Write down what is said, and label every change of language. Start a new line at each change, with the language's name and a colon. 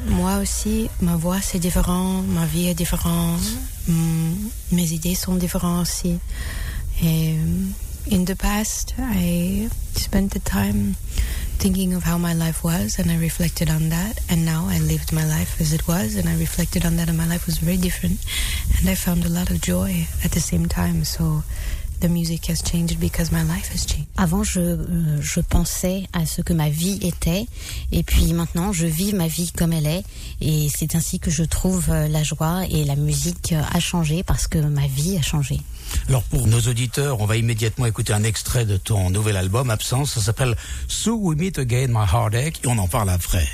French: Moi aussi, ma voix c'est différent, ma vie est différente, mes idées sont différentes aussi. Et...
English: in the past, I spent the time thinking of how my life was and I reflected on that. And now I lived my life as it was and I reflected on that and my life was very different. And I found a lot of joy at the same time. So the music has changed because my life has changed.
French: Avant, je pensais à ce que ma vie était. Et puis maintenant, je vis ma vie comme elle est. Et c'est ainsi que je trouve la joie et la musique a changé parce que ma vie a changé. Alors pour nos auditeurs, on va immédiatement écouter un extrait de ton nouvel album Absence, ça s'appelle So We Meet Again My Heartache et on en parle après.